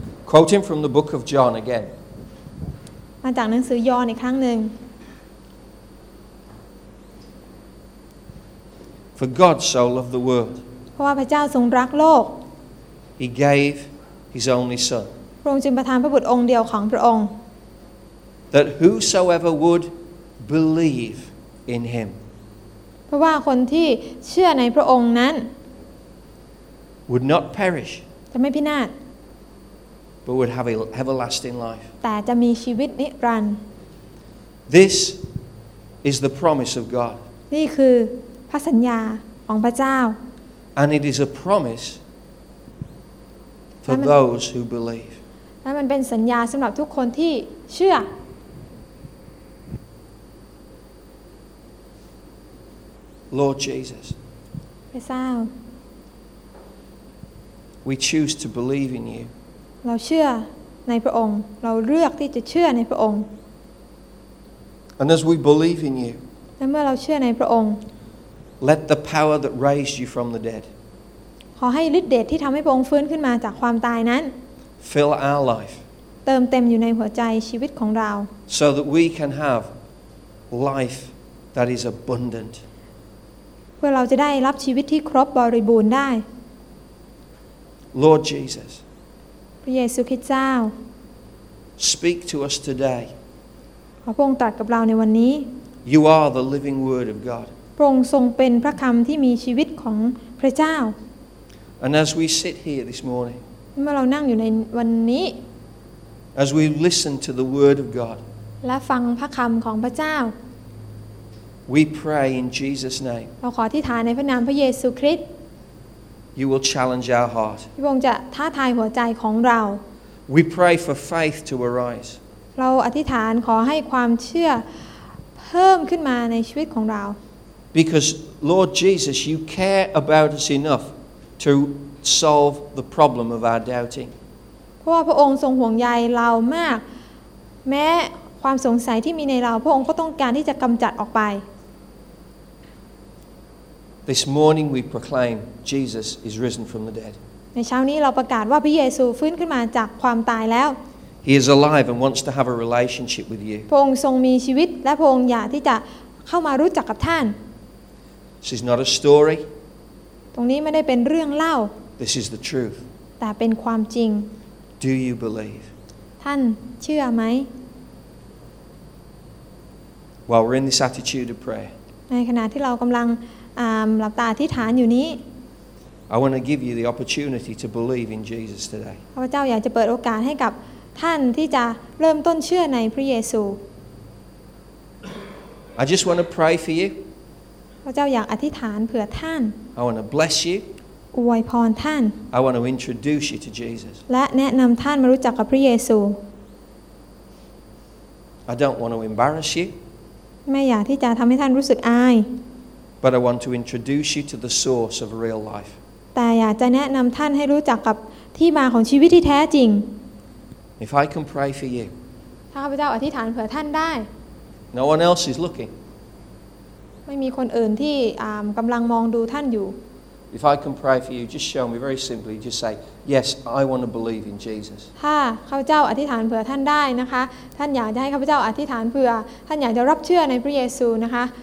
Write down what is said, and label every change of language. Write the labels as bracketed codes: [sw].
[en] Quoting from the book of John again. [th] มาจากหนังสือยอห์นอีกครั้งหนึ่ง [en] For God so loved the world. [th] เพราะว่าพระเจ้าทรงรักโลก [en] He gave His only Son. [th] พระองค์จึงประทานพระบุตรองค์เดียวของพระองค์ [en] That whosoever would believe in Him. [th] พราะว่าคนที่เชื่อในพระองค์นั้น [en] would not perish [th] จะไม่พินาศ [en] but would have everlasting life [th] แต่จะมีชีวิตนิรันดร์ [en] This is the promise of God [th] นี่คือพระสัญญาของพระเจ้า [en] and it is a promise for those who believe [th] และมันเป็นสัญญาสำหรับทุกคนที่เชื่อ [en] Lord Jesus, we choose to believe in you. [th] เราเชื่อในพระองค์เราเลือกที่จะเชื่อในพระองค์ [en] And as we believe in you, [th] และเมื่อเราเชื่อในพระองค์ [en] let the power that raised you from the dead, [th] ขอให้ฤทธิ์เดชที่ทำให้พระองค์ฟื้นขึ้นมาจากความตายนั้น [en] fill our life, [th] เติมเต็มอยู่ในหัวใจชีวิตของเรา [en] so that we can have life that is abundant. [th] เพื่อเราจะได้รับชีวิตที่ครบบริบูรณ์ได้ [en] Lord Jesus [th] พระเยซูคริสต์เจ้า [en] Speak to us today [th] ขอพระองค์ตรัสกับเราในวันนี้ [en] You are the living word of God [th] พระองค์ทรงเป็นพระคำที่มีชีวิตของพระเจ้า [en] And as we sit here this morning [th] เมื่อเรานั่งอยู่ในวันนี้ [en] As we listen to the word of God [th] และฟังพระคำของพระเจ้า [en] We pray in Jesus' name. [th] เราขออธิษฐานในพระนามพระเยซูคริสต์ [en] You will challenge our heart. [th] พระองค์จะท้าทายหัวใจของเรา [en] We pray for faith to arise. [th] เราอธิษฐานขอให้ความเชื่อเพิ่มขึ้นมาในชีวิตของเรา [en] Because Lord Jesus, you care about us enough to solve the problem of our doubting. [th] เพราะว่าพระองค์ทรงห่วงใยเรามากแม้ความสงสัยที่มีในเราพระองค์ก็ต้องการที่จะกำจัดออกไป [en] This morning we proclaim Jesus is risen from the dead [th] ในเช้านี้เราประกาศว่าพระเยซูฟื้นขึ้นมาจากความตายแล้ว [en] He is alive and wants to have a relationship with you [th] พระองค์ทรงมีชีวิตและพระองค์อยากที่จะเข้ามารู้จักกับท่าน [en] This is not a story [th] ตรงนี้ไม่ได้เป็นเรื่องเล่า [en] This is the truth [th] แต่เป็นความจริง [en] Do you believe [th] ท่านเชื่อไหม [en] While we're in this attitude of prayer, [th] ในขณะที่เรากำลังหลับตาอธิษฐานอยู่นี้ [en] I want to give you the opportunity to believe in Jesus today. [th] พระเจ้าอยากจะเปิดโอกาสให้กับท่านที่จะเริ่มต้นเชื่อในพระเยซู [en] I just want to pray for you. [th] พระเจ้าอยากอธิษฐานเผื่อท่าน [en] I want to bless you. [th] อวยพรท่าน [en] I want to introduce you to Jesus. [th] และแนะนำท่านมารู้จักกับพระเยซู [en] I don't want to embarrass you. [th] ไม่อยากที่จะทำให้ท่านรู้สึกอาย [en] But I want to introduce you to the source of real life [th] แต่อยากจะแนะนำท่านให้รู้จักกับที่มาของชีวิตที่แท้จริง [en] If I can pray for you [th] ถ้าข้าพเจ้าอธิษฐานเผื่อท่านได้ [en] No one else is looking [th] ไม่มีคนอื่นที่กำลังมองดูท่านอยู่ [en] If I can pray for you just show me very simply just say yes I want to believe in Jesus [th] ถ้าข้าพเจ้าอธิษฐานเผื่อท่านได้นะคะท่านอยากจะให้ข้าพเจ้าอธิษฐานเผื่อท่านอยากจะรับเชื่อในพระเยซูนะคะ